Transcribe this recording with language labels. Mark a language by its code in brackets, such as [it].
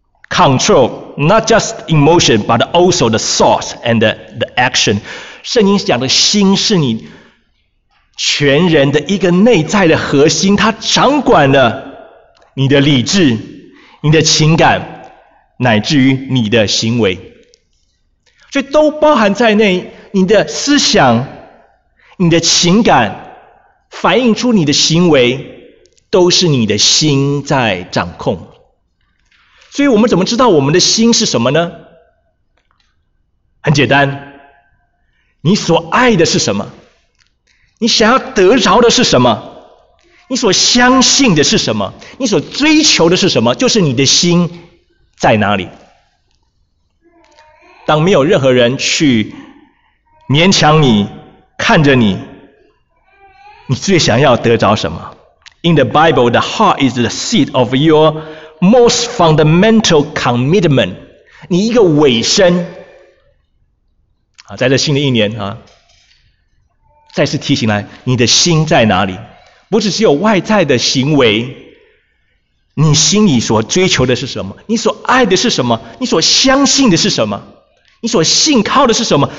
[en] Control not just emotion, but also the thought and the action. [zh] 圣经讲的心是你全人的一个内在的核心，它掌管了你的理智、你的情感，乃至于你的行为，所以都包含在内。你的思想、你的情感，反映出你的行为，都是你的心在掌控。所以我们怎么知道我们的心是什么呢？很简单，你所爱的是什么？你想要得着的是什么？你所相信的是什么？你所追求的是什么？就是你的心在哪里。当没有任何人去勉强你，看着你，你最想要得着什么？ [en] In the Bible, the heart is the seat of your most fundamental commitment. [zh] 你一个尾声，在这新的一年啊，再次提醒来，你的心在哪里？不是只有外在的行为，你心里所追求的是什么？你所爱的是什么？你所相信的是什么？你所信靠的是什么？